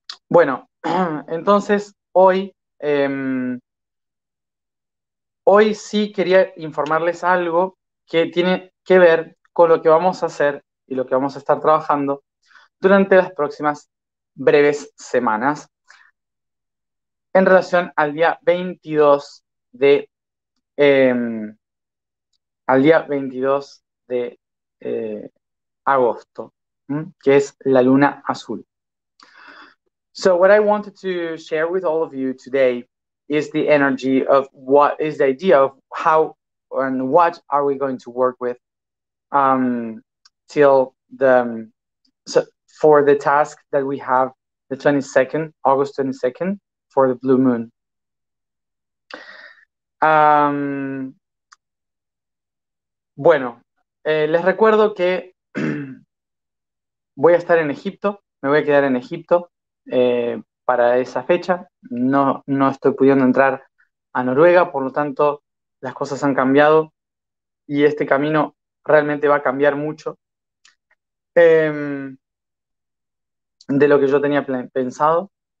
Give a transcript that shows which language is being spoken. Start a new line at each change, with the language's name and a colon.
Spanish: Bueno, entonces hoy sí quería informarles algo que tiene que ver con lo que vamos a hacer y lo que vamos a estar trabajando durante las próximas breves semanas en relación al día 22 de al día 22 de agosto, que es la luna azul.
English: So what I wanted to share with all of you today is the energy of what is the idea of how and what are we going to work with till the so for the task that we have the 22nd, August 22nd for the blue moon.
Spanish: Bueno, les recuerdo que voy a estar en Egipto, me voy a quedar en Egipto. Para esa fecha no estoy pudiendo entrar a Noruega, por lo tanto las cosas han cambiado y este camino realmente va a cambiar mucho de lo que yo tenía pensado.